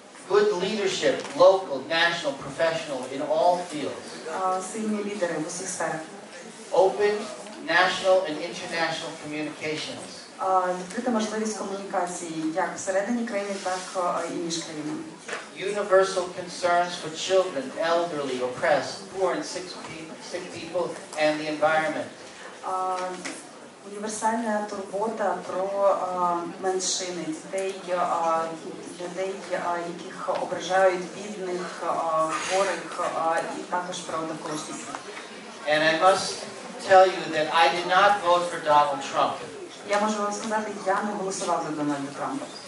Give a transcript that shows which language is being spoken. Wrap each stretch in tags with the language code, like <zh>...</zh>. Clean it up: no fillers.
<en>Good leadership, local, national, professional, in all fields.</en> <uk>Сильні лідери в усіх сферах.</uk> <en>Open national and international communications.</en> <uk>Відкрита можливість комунікації, як всередині країни, так і між країнами.</uk> <en>Universal concerns for children, elderly, oppressed, poor and sick people, and the environment.</en> <uk>Універсальна турбота про меншини, дітей, людей, яких ображають бідних, хворих, і також про довколишність.</uk> <en>And I must tell you that I did not vote for Donald Trump.</en> <uk>Я можу вам сказати, я не голосував за Дональда Трампа.</uk>